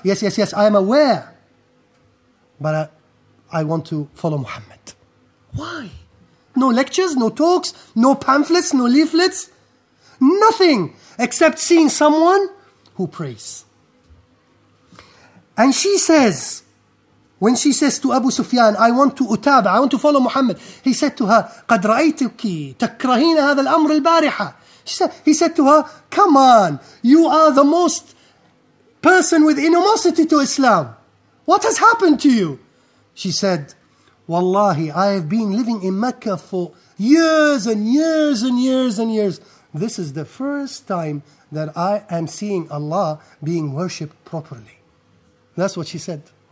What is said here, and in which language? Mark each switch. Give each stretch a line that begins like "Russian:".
English: Yes, yes, yes, I am aware. But I want to follow Muhammad. Why? No lectures, no talks, no pamphlets, no leaflets. Nothing except seeing someone who prays. And she says, when she says to Abu Sufyan, I want to utaba, I want to follow Muhammad.
Arabic: He said to her, قَدْ رَأَيْتُكِ تَكْرَهِينَ هَذَا الْأَمْرِ الْبَارِحَةِ.
English: He said to her, come on, you are the most person with animosity to Islam. What has happened to you? She said, wallahi, I have been living in Mecca for years and years and years and years. This is the first time that I am seeing Allah being worshipped properly. That's what she said.